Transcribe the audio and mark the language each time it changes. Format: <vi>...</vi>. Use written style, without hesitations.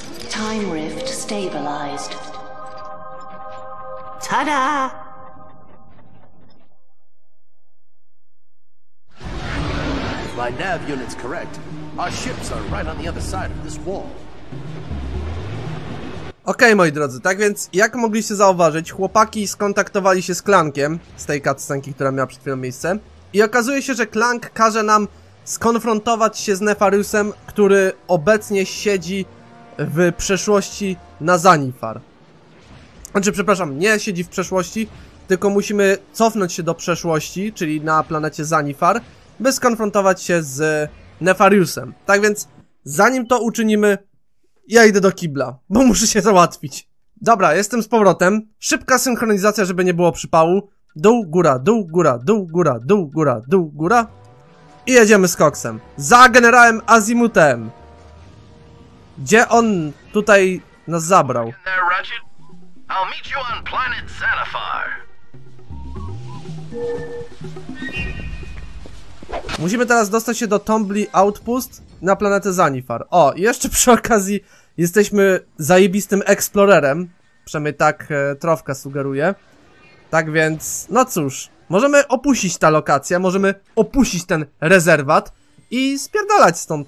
<en>Time rift stabilized. Ta-da! My nav unit's correct. Our ships are right on the other side of this wall.</en> <pl>Okej, moi drodzy, tak więc jak mogliście zauważyć, chłopaki skontaktowali się z Clankiem z tej cutscenki, która miała przed chwilą miejsce. I okazuje się, że Clank każe nam skonfrontować się z Nefariusem, który obecnie siedzi w przeszłości na Zanifar. Znaczy, przepraszam, nie siedzi w przeszłości, tylko musimy cofnąć się do przeszłości, czyli na planecie Zanifar, by skonfrontować się z Nefariusem. Tak więc, zanim to uczynimy, ja idę do kibla, bo muszę się załatwić. Dobra, jestem z powrotem. Szybka synchronizacja, żeby nie było przypału. Dół, góra, dół, góra, dół, góra, dół, góra, dół, góra. I jedziemy z Koksem. Za generałem Azimutem. Gdzie on tutaj nas zabrał?</pl> <en>I'll meet you on planet Zanifar.</en> <pl>Musimy teraz dostać się do Tombly Outpost na planetę Zanifar. O, jeszcze przy okazji jesteśmy zajebistym eksplorerem. Przynajmniej tak Trofka sugeruje. Tak więc, no cóż, możemy opuścić tę lokację, możemy opuścić ten rezerwat i spierdalać stąd.</pl>